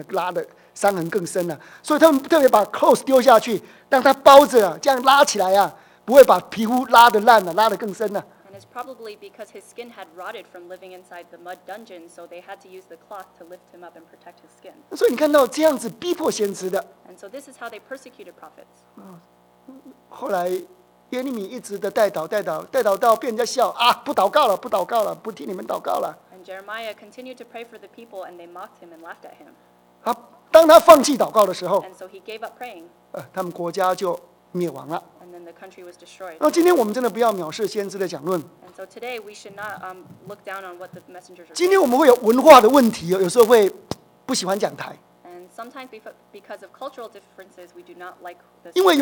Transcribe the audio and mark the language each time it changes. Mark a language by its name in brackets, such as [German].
[Chinese] 因为我想那皮肤可能太烂了，如果你这样拉起来，会把皮肤真的拉的伤痕更深了。所以他们特别把 clothes 丢下去，让它包着啊，这样拉起来啊，不会把皮肤拉的烂了，拉的更深了。And [English] it's probably because his skin had rotted from living inside the mud dungeon, so they had to use the cloth to lift him up and protect his skin. [Chinese] 所以你看到这样子逼迫先知的。And [English] so this is how they persecuted prophets. [Chinese] 后来。耶利米一直的代祷，代祷，代祷到被人家笑啊！不祷告了，不祷告了，不替你们祷告了。 [English] And Jeremiah continued to pray for the people, and they mocked him and laughed at him. [Chinese] 当他放弃祷告的时候 [English] ，And so he gave up praying. [Chinese] 他们国家就灭亡了。 [English] And then the country was destroyed. [Chinese] 那今天我们真的不要藐视先知的讲论。 [English] And so today we should not look down on what the messengers are. [Chinese] 今天我们会有文化的问题，有时候会不喜欢讲台。 [English] Sometimes because of cultural differences, we do not like this.